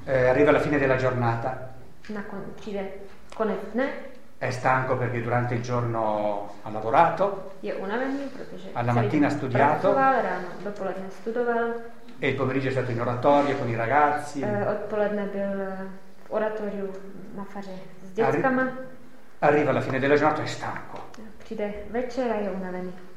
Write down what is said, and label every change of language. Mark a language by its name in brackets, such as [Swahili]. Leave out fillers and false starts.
[Italian] Arriva alla fine della giornata. [Czech] Přijde konec dne. [Italian] È stanco perché durante il giorno ha lavorato. [Czech] Je unavený, protože [Italian] alla mattina ha studiato. [Czech] Pracoval, ráno, dopoledne studoval. [Italian] E il pomeriggio è stato in oratorio con i ragazzi. [Czech] Odpoledne byl v oratoriu na faře s dětskama. [Italian] Arriva alla fine della giornata, è stanco. [Czech] Přijde večer a je unavený.